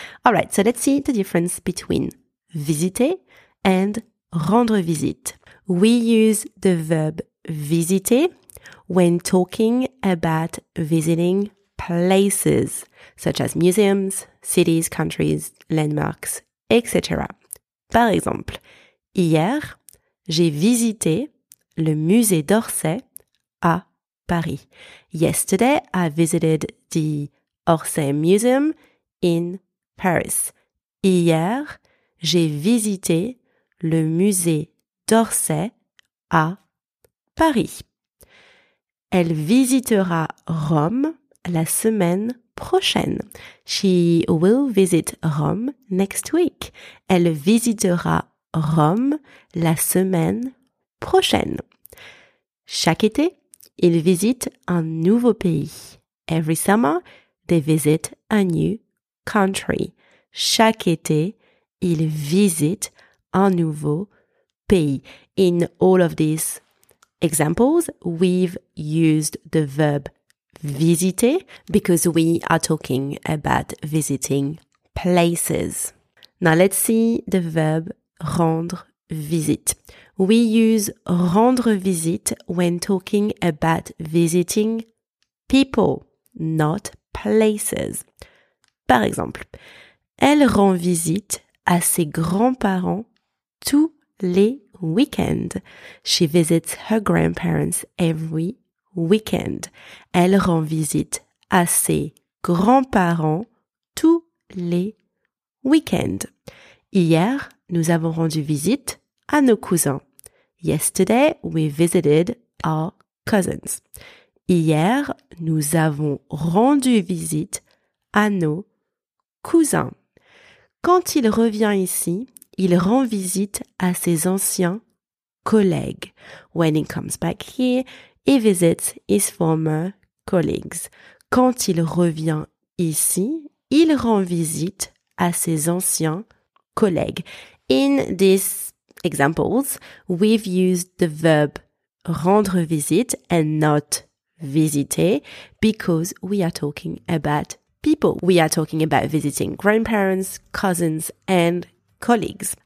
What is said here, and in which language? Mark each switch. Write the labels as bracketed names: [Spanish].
[English] All right, so let's see the difference between visiter and rendre visite. We use the verb visiter when talking about visiting places such as museums, cities, countries, landmarks, etc. [French] Par exemple, hier, j'ai visité le musée d'Orsay à Paris. [English] Yesterday, I visited the Orsay Museum in Paris. [French] Hier, j'ai visité le musée d'Orsay à Paris. Elle visitera Rome la semaine prochaine. [English] She will visit Rome next week. [French] Elle visitera Rome la semaine prochaine. Chaque été, ils visitent un nouveau pays. [English] Every summer, they visit a new country. [French] Chaque été, ils visitent un nouveau pays. [English] In all of these examples, we've used the verb visiter because we are talking about visiting places. Now let's see the verb rendre visite. We use rendre visite when talking about visiting people, not places. [French] Par exemple, elle rend visite à ses grands-parents tous les weekend. [English] She visits her grandparents every weekend. [French] Elle rend visite à ses grands-parents tous les weekends. Hier, nous avons rendu visite à nos cousins. [English] Yesterday, we visited our cousins. [French] Hier, nous avons rendu visite à nos cousins. Quand il revient ici, il rend visite à ses anciens collègues. [English] When he comes back here, he visits his former colleagues. [French] Quand il revient ici, il rend visite à ses anciens collègues. [English] In these examples, we've used the verb rendre visite and not visiter because we are talking about people. We are talking about visiting grandparents, cousins, and colleagues.